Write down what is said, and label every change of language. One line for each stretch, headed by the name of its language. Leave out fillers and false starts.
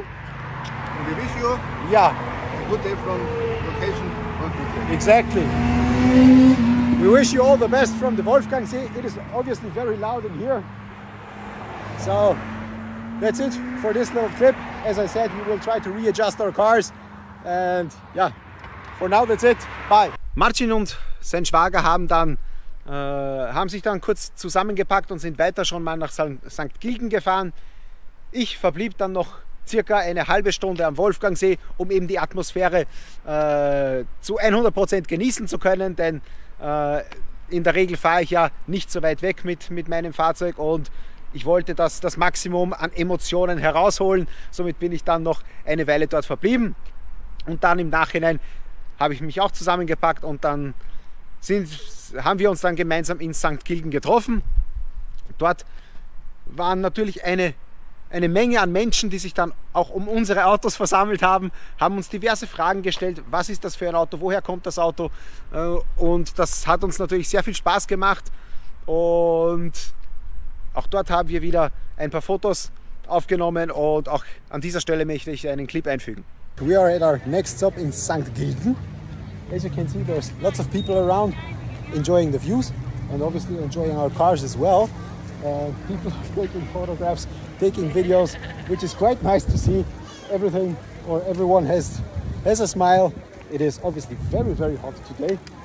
English: And we wish you a good day from location. Exactly. We wish you all the best from the Wolfgangsee. It is obviously very loud in here. So that's it for this little trip. As I said, we will try to readjust our cars. And yeah, for now that's it. Bye.
German: Marcin und sein Schwager haben sich dann kurz zusammengepackt und sind weiter schon mal nach St. Gilgen gefahren. Ich verblieb dann noch circa eine halbe Stunde am Wolfgangsee, um eben die Atmosphäre zu 100% genießen zu können, denn in der Regel fahre ich ja nicht so weit weg mit meinem Fahrzeug, und ich wollte das Maximum an Emotionen herausholen. Somit bin ich dann noch eine Weile dort verblieben, und dann im Nachhinein habe ich mich auch zusammengepackt und dann haben wir uns dann gemeinsam in St. Gilgen getroffen. Dort waren natürlich eine Menge an Menschen, die sich dann auch um unsere Autos versammelt haben, haben uns diverse Fragen gestellt. Was ist das für ein Auto? Woher kommt das Auto? Und das hat uns natürlich sehr viel Spaß gemacht. Und auch dort haben wir wieder ein paar Fotos aufgenommen. Und auch an dieser Stelle möchte ich einen Clip einfügen.
English: We are at our next stop in St. Gilgen. As you can see, there's lots of people around enjoying the views and obviously enjoying our cars as well. People are taking photographs, taking videos, which is quite nice to see. Everyone has a smile. It is obviously very, very hot today.